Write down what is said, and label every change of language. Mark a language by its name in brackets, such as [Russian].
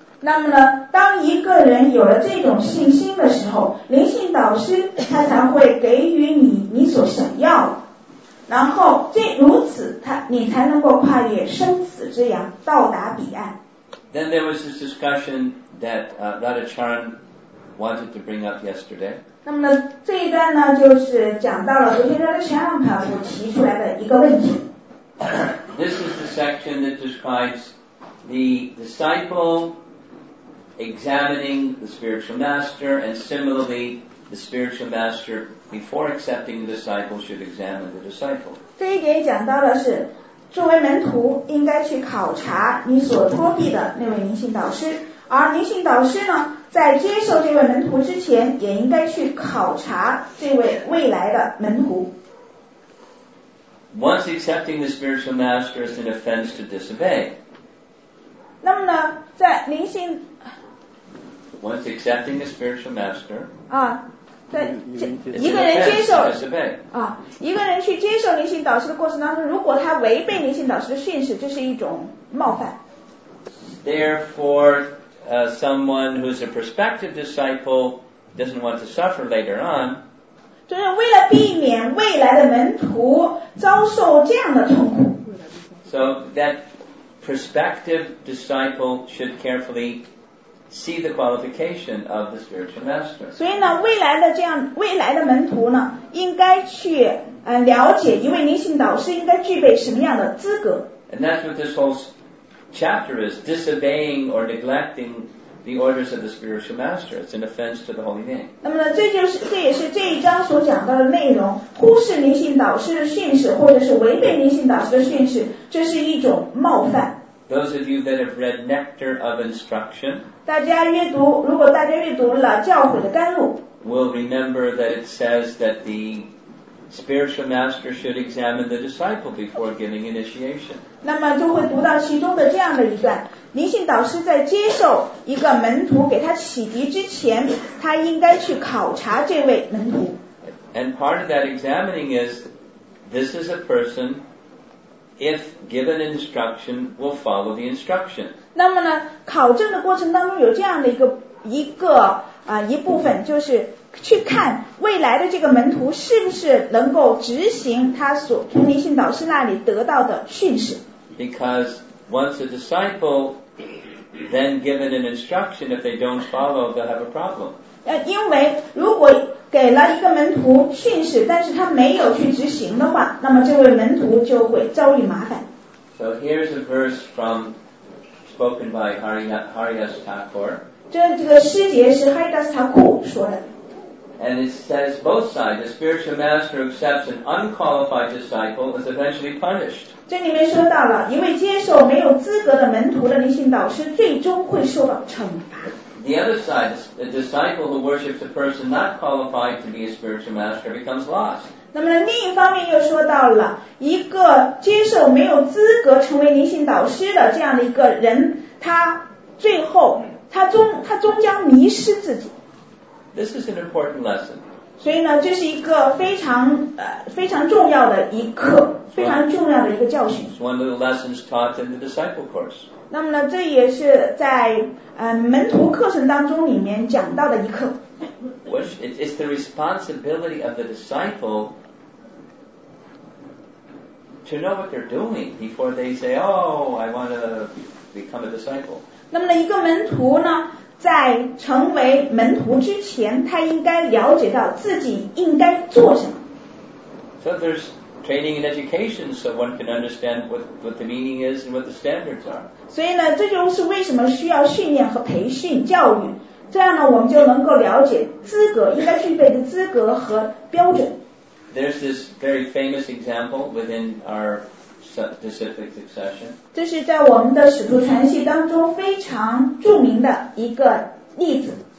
[Chinese] 那么呢，当一个人有了这种信心的时候，灵性导师他才会给予你所想要的。然后这如此他你才能够跨越生死之洋到达彼岸。 [English] Then there was this discussion that Radhacharan wanted to bring up yesterday. [Chinese] 那么这一段呢就是讲到了昨天Radhacharan朋友提出来的一个问题。 [English] This is the section that describes the disciple examining the spiritual master, and similarly, the spiritual master, before accepting the disciple, should examine the disciple. [Chinese] 这一点讲到的是，作为门徒应该去考察你所托庇的那位灵性导师，而灵性导师呢，在接受这位门徒之前，也应该去考察这位未来的门徒。 [English] Once accepting the spiritual master is an offense to disobey. [Chinese] 那么呢，在灵性 [English] Once accepting the spiritual master. [Chinese] 啊，在一个人接受 [English] disobey. [Chinese] 啊，一个人去接受灵性导师的过程当中，如果他违背灵性导师的训示，这是一种冒犯。 [English] Therefore, someone who is a prospective disciple doesn't want to suffer later on. [Chinese] 就是为了避免未来的门徒遭受这样的痛苦。 [English] So that prospective disciple should carefully see the qualification of the spiritual master. [Chinese] 所以呢，未来的这样未来的门徒呢，应该去了解一位灵性导师应该具备什么样的资格。 [English] And that's what this whole chapter is: disobeying or neglecting. The orders of the spiritual master. It's an offense to the holy name. [Chinese] 那么呢，这就是这也是这一章所讲到的内容。忽视灵性导师的训示，或者是违背灵性导师的训示，这是一种冒犯。 [English] Those of you that have read Nectar of Instruction. [Chinese] 大家阅读，如果大家阅读了教诲的甘露 [English] ，will remember that it says that the spiritual master should examine the disciple before giving initiation. [Chinese] 那么就会读到其中的这样的一段。灵性导师在接受一个门徒给他启迪之前，他应该去考察这位门徒。 [English] And part of that examining is, this is a person, if given instruction, will follow the instruction. [Chinese] 那么呢，考证的过程当中有这样的一部分，就是去看未来的这个门徒是不是能够执行他所从灵性导师那里得到的训示。 [English] Because once a disciple then given an instruction, if they don't follow, they'll have a problem. [Chinese] 因为如果给了一个门徒训示，但是他没有去执行的话，那么这位门徒就会遭遇麻烦。 [English] So here's a verse from spoken by Haridas Thakur. [Chinese] 这个诗节是 Haridas Thakur 说的。 [English] And it says both sides, the spiritual master accepts an unqualified disciple is eventually punished. [Chinese] 这里面说到了一位接受没有资格的门徒的灵性导师最终会受到惩罚。 [English] The other side, the disciple who worships a person not qualified to be a spiritual master becomes lost. [Chinese] 那么另一方面又说到了一个接受没有资格成为灵性导师的这样的一个人他最后他终将迷失自己。 [English] This is an important lesson. [Chinese] 所以呢，这是一个非常非常重要的一课，非常重要的一个教训。 [English] It's one of the lessons taught in the disciple course. [Chinese] 那么呢，这也是在门徒课程当中里面讲到的一课。 [English] Which it's the responsibility of the disciple to know what they're doing before they say, "Oh, I want to become a disciple." [Chinese] 那么呢，一个门徒呢？在成为门徒之前，他应该了解到自己应该做什么。 [English] So there's training and education, so one can understand what the meaning is and what the standards are. [Chinese] 所以呢，这就是为什么需要训练和培训教育，这样呢，我们就能够了解资格应该具备的资格和标准。 [English] There's this very famous example within our specific succession. [Chinese] 这是在我们的使徒传系当中非常著名的一个例子。